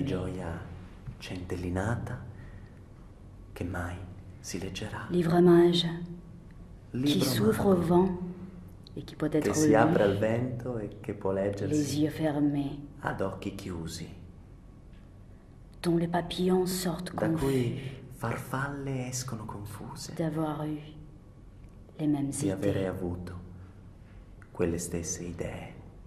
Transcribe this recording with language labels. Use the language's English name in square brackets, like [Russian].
[Italian] Di gioia centellinata che mai si leggerà. [French] Livre mage. Qui s'ouvre au vent et qui peut être lu. [Italian] Che si apre al vento e che può leggersi. [French] Les yeux fermés. [Italian] Ad occhi chiusi. [French] Dont les papillons sortent confus. [Italian] Da cui farfalle escono confuse. [French] D'avoir eu les mêmes idées. [Italian] Di avere avuto quelle stesse idee.